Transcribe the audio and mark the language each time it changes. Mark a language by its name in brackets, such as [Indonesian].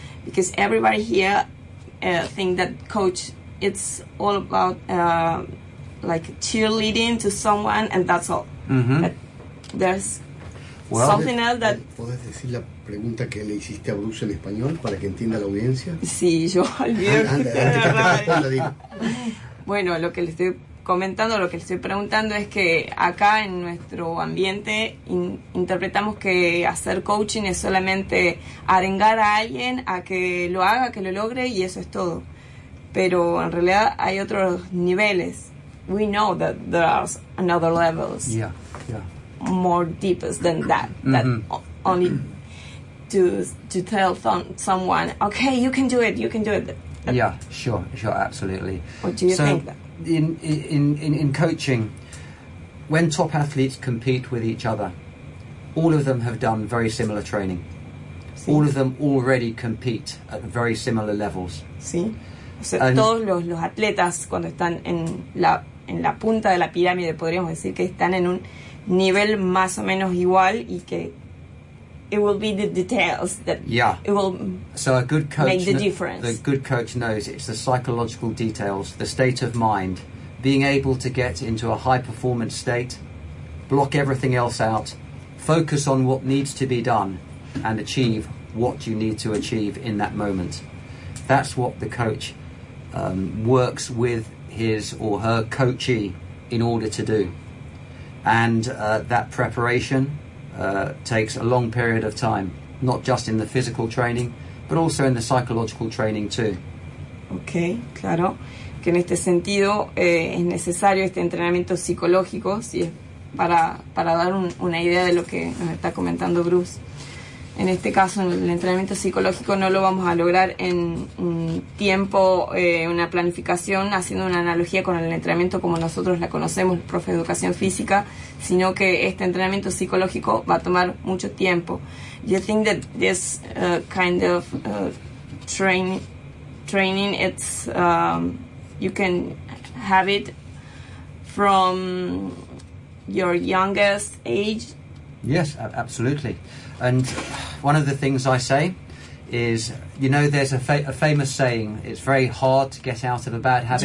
[English] Because everybody here think that coach, it's all about like cheerleading to someone, and that's all. Mm-hmm. But there's something else that. [Spanish] ¿Puedes decir la pregunta que le hiciste a Bruce en español para que entienda la audiencia? Sí, yo olvidé. Bueno, lo que le estoy comentando, lo que le estoy preguntando es que acá en nuestro ambiente interpretamos que hacer coaching es solamente arengar a alguien a que lo haga, que lo logre, y eso es todo. Pero en realidad hay otros niveles. [English] We know that there are another levels. Yeah. More deepest than that. That mm-hmm. only to tell someone, okay, you can do it. Yeah, sure, absolutely. What do you think that? In coaching, when top athletes compete with each other, all of them have done very similar training. [Spanish] Sí. [English] All of them already compete at very similar levels. [Spanish] Sí. O sea, todos los atletas cuando están en la en la punta de la pirámide, podríamos decir, que están en un nivel más o menos igual y que [English] it will be the details that it will make the difference. The good coach knows it's the psychological details, the state of mind, being able to get into a high performance state, block everything else out, focus on what needs to be done and achieve what you need to achieve in that moment. That's what the coach works with his or her coachee in order to do. And that preparation takes a long period of time, not just in the physical training, but also in the psychological training too. [Spanish] Okay, claro. Que en este sentido es necesario este entrenamiento psicológico, sí, para dar una idea de lo que nos está comentando Bruce. En este caso, el entrenamiento psicológico no lo vamos a lograr en un tiempo, una planificación, haciendo una analogía con el entrenamiento como nosotros la conocemos, el profe de educación física, sino que este entrenamiento psicológico va a tomar mucho tiempo. [English] You think that this kind of training, it's you can have it from your youngest age? Yes, absolutely. And one of the things I say is, you know, there's a famous saying, it's very hard to get out of a bad habit.